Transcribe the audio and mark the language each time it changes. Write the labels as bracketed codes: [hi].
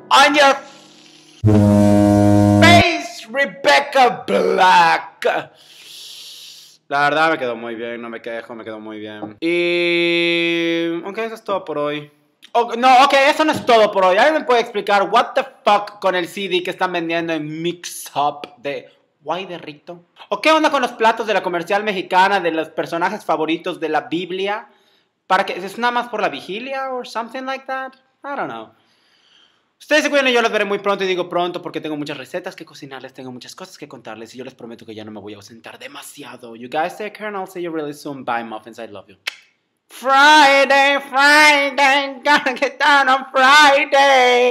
[en] On your face, Rebecca Black. [es] La verdad me quedó muy bien, no me quejo, me quedó muy bien. Y ok, eso es todo por hoy. Oh, no, ok, eso no es todo por hoy. ¿Alguien me puede explicar [en] what the fuck [es] con el CD que están vendiendo en Mix Up de Why de Rito? ¿O qué onda con los platos de la comercial mexicana de los personajes favoritos de la Biblia? ¿Para qué? ¿Es nada más por la vigilia o [en] something like that? I don't know. [es] Ustedes se cuiden y yo los veré muy pronto, y digo pronto porque tengo muchas recetas que cocinarles, tengo muchas cosas que contarles y yo les prometo que ya no me voy a ausentar demasiado. [en] You guys take care and I'll see you really soon. Bye, muffins, I love you. Friday, Friday, gonna get down on Friday.